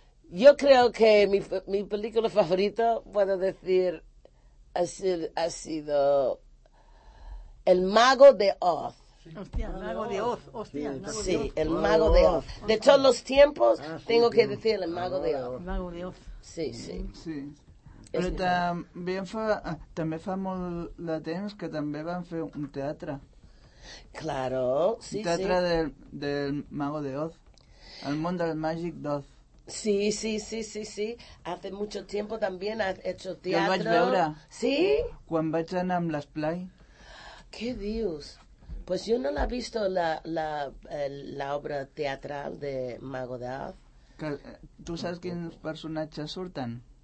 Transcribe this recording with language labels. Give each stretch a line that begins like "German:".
Spanish: Yo creo que mi película favorita, puedo decir, ha sido el mago de Oz. Hostia, el mago de Oz. De todos los tiempos, tengo que decir el mago de Oz. Mago de Oz. Sí, sí. Sí.
Catalan: Però també fa molt de temps que també van fer un teatre.
Spanish: Claro, sí, sí.
Catalan: Teatre del Mago de Oz, el món del màgic d'Oz. Sí, sí, sí, sí, sí.
Spanish: Hace mucho tiempo también ha hecho teatro.
Catalan: Que el vaig veure. Sí? Quan vaig anar amb l'Esplai. ¿Qué dius?
Spanish: Pues yo no l'he visto la obra teatral de Mago de Oz.
Catalan: Que, ¿tu saps quins personatges surten?